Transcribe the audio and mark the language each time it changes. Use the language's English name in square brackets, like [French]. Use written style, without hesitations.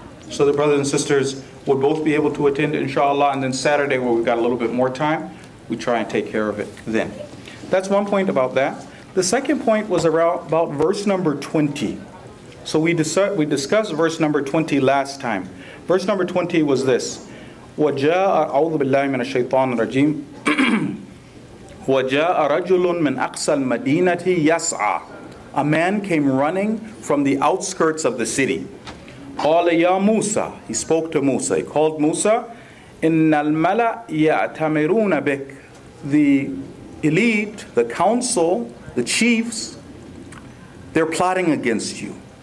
[English] So the brothers and sisters would both be able to attend, inshallah, and then Saturday where we've got a little bit more time, we try and take care of it then. That's one point about that. The second point was about verse number 20. So we discussed verse number 20 last time. Verse number 20 was this: [Arabic] وَجَاءَ أَعُوذُ بِاللَّهِ مِنَ الشَّيْطَانِ الرَّجِيمِ وَجَاءَ رَجُلٌ مِنْ أَقْصَى الْمَدِينَةِ يَسْعَى. [English] A man came running from the outskirts of the city. [Arabic] قَالَ يَا مُوسَى. [English] He spoke to Musa. He called Musa. [Arabic] إِنَّ الْمَلَأَ يَأْتَمِرُونَ بِكَ. [English] The elite, the council, the chiefs, they're plotting against you.